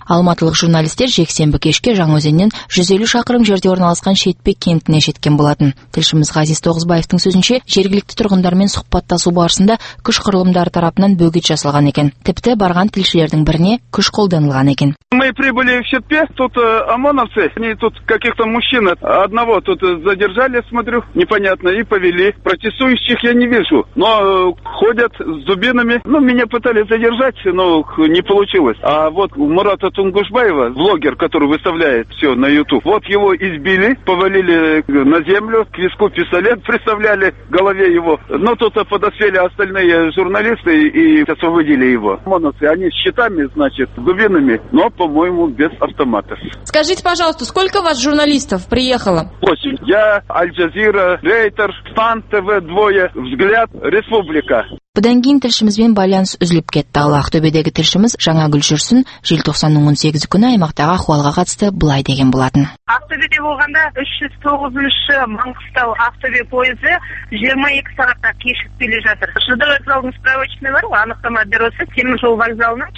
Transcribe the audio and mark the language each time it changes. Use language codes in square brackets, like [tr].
[kk] Алматылық журналистер жексенбі кешке Жаңаөзеннен 150 шақырым жерде орналасқан Шетпек кентіне жеткен болатын. Тілшіміз Ғазиз Тоғызбаевтың сөзінше, жергілікті тұрғындармен сұхбаттасу барысында күш құрылымдары тарапынан бөгет жасалған екен. Тіпті барған тілшілердің біріне күш қолданылған екен. [ru] Мы прибыли в Шетпе, тут ОМОНовцы, они тут каких-то мужчин одного тут задержали, смотрю, непонятно, и повели. Протестующих я не вижу, но ходят с дубинами. Ну, меня пытались задержать, но не получилось. А вот Мурата Тунгушбаева, блогер, который выставляет все на YouTube, вот его избили, повалили на землю, к виску пистолет приставляли к голове его. Но тут подоспели остальные журналисты и освободили его. ОМОНовцы, они с щитами, значит, с дубинами, но по-моему, без автоматов. Скажите, пожалуйста, сколько у вас журналистов приехало? 8. Я, Аль-Джазира, Рейтер, Стан ТВ, двое, Взгляд, Республика. [kk] Бұдан кейін тілшімізбен байланыс үзіліп кетті. Ал Ақтөбедегі тілшіміз Жаңагүл Жүрсін 1990-ның 18 күні аймақтағы ахуалға қатысты былай деген болатын. Ақтөбеде болғанда 309-ші Маңғыстау Ақтөбе пойызы 22 сағатта кешігіп келе жатыр. Жылдар вокзалының справочный бар, анықтама бюросы, теміржол вокзалының.